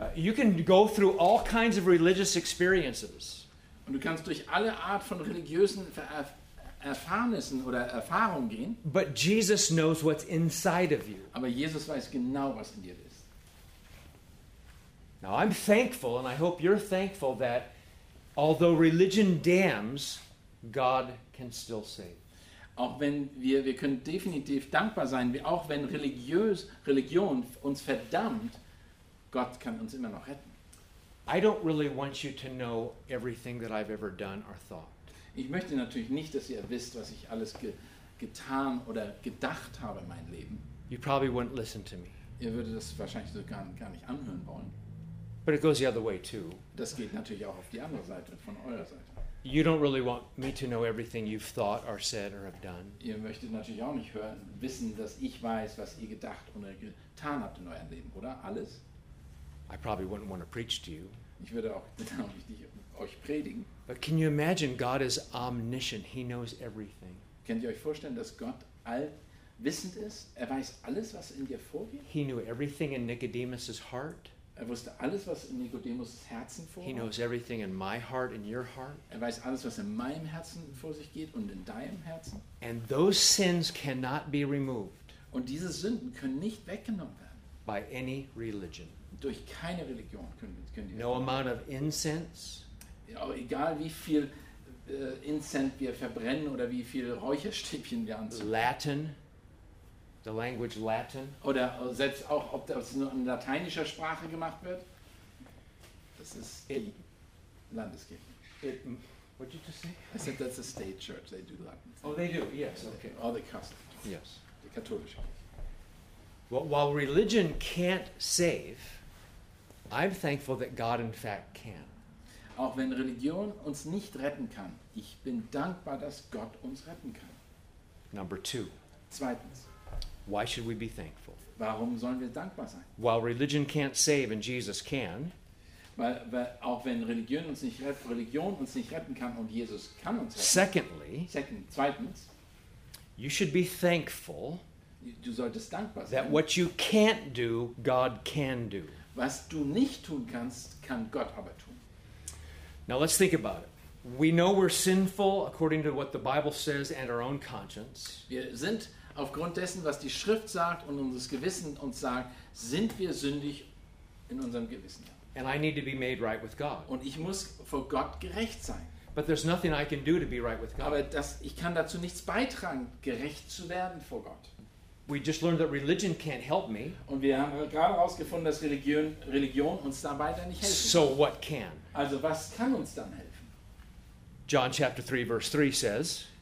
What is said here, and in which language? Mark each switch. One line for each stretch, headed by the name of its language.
English: You can go through all kinds of religious experiences.
German: Und du kannst durch alle Art von religiösen Erfahrnissen oder Erfahrungen gehen.
English: But Jesus knows what's inside of you.
German: Aber Jesus weiß genau, was in dir ist.
English: Now I'm thankful, and I hope you're thankful, that although religion damns, God can still save.
German: Auch wenn wir können definitiv dankbar sein, auch wenn Religion uns verdammt, Gott kann uns immer noch retten.
English: I don't really want you to know everything that I've ever done or thought.
German: Ich möchte natürlich nicht, dass ihr wisst, was ich alles getan oder gedacht habe in meinem Leben.
English: You probably wouldn't listen to me.
German: Ihr würdet das wahrscheinlich sogar gar nicht anhören wollen.
English: But it goes the other way too.
German: Das geht natürlich auch auf die andere Seite, von eurer Seite.
English: You don't really want me to know everything you've thought or said or have done.
German: Ihr möchtet natürlich auch nicht hören, wissen, dass ich weiß, was ihr gedacht oder getan habt in eurem Leben, oder? Alles?
English: I probably wouldn't want to preach to you.
German: Ich würde auch nicht euch predigen.
English: But can you imagine God is omniscient? He knows everything.
German: Könnt ihr euch vorstellen, dass Gott allwissend ist? Er weiß alles, was in dir vorgeht?
English: He knew everything in Nicodemus' heart.
German: Er wusste alles, was in Nicodemus' Herzen vorging.
English: He knows everything in my heart and your heart.
German: Er weiß alles, was in meinem Herzen vor sich geht und in deinem Herzen.
English: And those sins cannot be removed.
German: Und diese Sünden können nicht weggenommen werden.
English: By any religion.
German: Durch keine Religion können die.
English: No amount of incense.
German: Ja, egal wie viel Incense wir verbrennen oder wie viel Räucherstäbchen wir anzünden.
English: Latin. The language Latin.
German: Oder selbst auch, ob das nur in lateinischer Sprache gemacht wird. Das ist die Landeskirche.
English: What did you just say? I said that's a state church. They do Latin. Oh, they do. Yes. Okay. All the Catholics. Yes. The Catholic. Well, while religion can't save, I'm thankful that God, in fact, can.
German: Auch wenn Religion uns nicht retten kann, ich bin dankbar, dass Gott uns retten kann.
English: Number two.
German: Zweitens.
English: Why should we be thankful?
German: Warum sollen wir dankbar sein?
English: While religion can't save and Jesus can.
German: Weil auch wenn Religion uns nicht retten kann und Jesus kann uns retten.
English: Secondly.
German: Zweitens.
English: You should be thankful.
German: Du solltest dankbar sein.
English: That what you can't do, God can do.
German: Was du nicht tun kannst, kann Gott aber tun.
English: Now let's think about it. We know we're sinful according to what the Bible says and our own conscience.
German: Wir sind aufgrund dessen, was die Schrift sagt und unseres Gewissen uns sagt, sind wir sündig in unserem Gewissen.
English: And I need to be made right with God.
German: Und ich muss vor Gott gerecht sein.
English: But there's nothing I can do to be right with God.
German: Aber ich kann dazu nichts beitragen, gerecht zu werden vor Gott.
English: We just learned that religion can't help me.
German: Und wir haben gerade herausgefunden, dass Religion uns dabei dann nicht helfen.
English: So what can?
German: Also was kann uns dann helfen?
English: John chapter 3 verse 3 says.